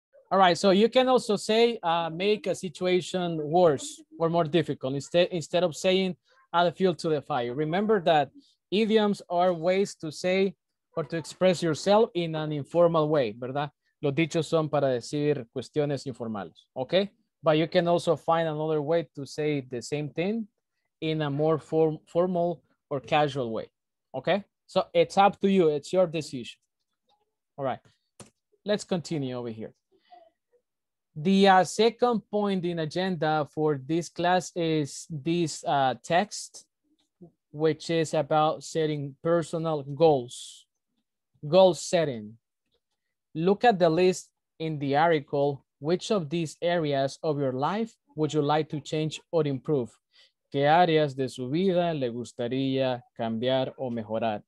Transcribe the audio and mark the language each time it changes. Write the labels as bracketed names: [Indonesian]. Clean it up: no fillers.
[English] All right, so you can also say make a situation worse or more difficult instead of saying add fuel to the fire. Remember that idioms are ways to say or to express yourself in an informal way, ¿verdad? [Spanish] Los dichos son para decir cuestiones informales, okay? [English] But you can also find another way to say the same thing in a more formal or casual way, okay? So it's up to you, it's your decision. All right, let's continue over here. The second point in agenda for this class is this text, which is about setting personal goals, goal setting. Look at the list in the article. Which of these areas of your life would you like to change or improve? [Spanish] ¿Qué áreas de su vida le gustaría cambiar o mejorar?